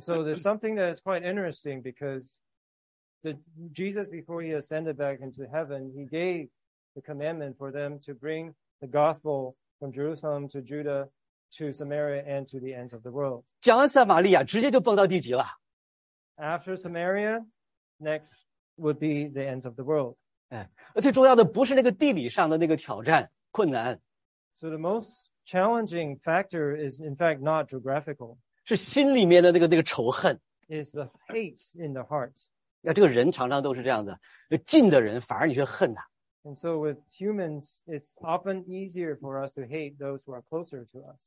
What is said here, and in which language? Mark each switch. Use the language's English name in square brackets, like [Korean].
[English] so there's something that is quite interesting because Jesus, before he ascended back into heaven, he gave the commandment for them to bring the gospel from Jerusalem to Judah. To Samaria and to the ends of the world. [Chinese] 讲完撒玛利亚，直接就蹦到地极了。 [English] After Samaria, next would be the ends of the world. [Chinese] 最重要的不是那个地理上的那个挑战困难。 [English] So the most challenging factor is in fact not geographical. [Chinese] 是心里面的那个仇恨。 [English] Is the hate in the heart. [Chinese] 这个人常常都是这样的，近的人反而你却恨他。 [English] And so with humans, it's often easier for us to hate those who are closer to us.